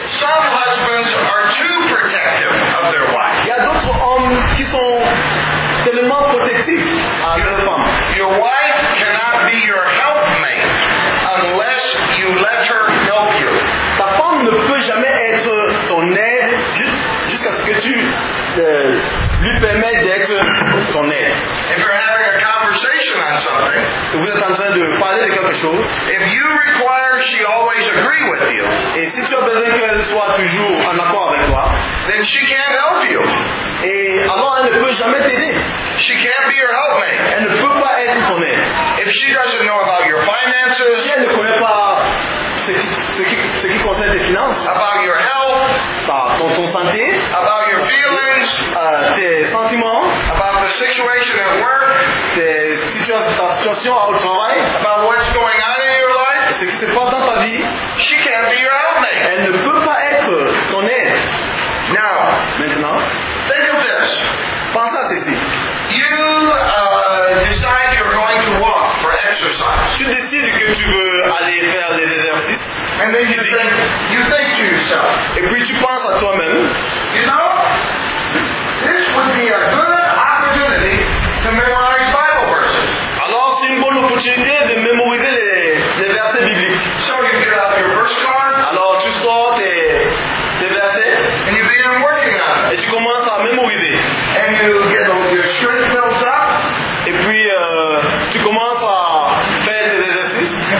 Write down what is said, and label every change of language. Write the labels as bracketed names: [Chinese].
[English] Some husbands are too protective of their wives. [French] Il y a d'autres hommes qui sont tellement protectifs à leur femme. [English] Your wife cannot be your helpmate unless you let her help you. [French] Ta femme ne peut jamais être ton aide jusqu'à ce que tu lui permettes d'être ton aide. [English] If you're having a conversation on something, [French] vous êtes en train de parler de quelque chose. [English] If you require she always agree with you, [French] et si tu as besoin qu'elle soit toujours en accord avec toi, [English] then she can't help you. [French] Et alors elle ne peut jamais t'aider. [English] She can't be your helpmate. [French] Elle ne peut pas être ton aide. [English] If she doesn't know about your finances, [French] si elle ne connaît pas ce qui concerne tes finances, [English] about your health, [French] ton santé, [English] about your feelings, [French] tes sentiments, [English] about the situation at work, [French] ta situation au travail, [English] about what's going on in your life, [French] ce qui se passe dans ta vie, [English] she can't be your helpmate. [French] Elle ne peut pas être ton aide. [English] Now, [French] maintenant, [English] think of this. [French] Pense à ceci. [English] You decide you're going to walk for exercise. [French] Tu décides que tu veux aller faire des exercices. [English] And then you think to yourself. [French] Et puis tu penses à toi-même. [English] You know, this would be a good opportunity to memorize Bible verses. [French] Alors c'est une bonne opportunité de mémoriser les versets bibliques. [English] So you get out your verse card. [French] Alors tu sors tes versets. [English] And you begin working on it. [French] Et tu commences à mémoriser. [English] And you get all your strength built up. [French] Et puis tu commences à faire des exercices.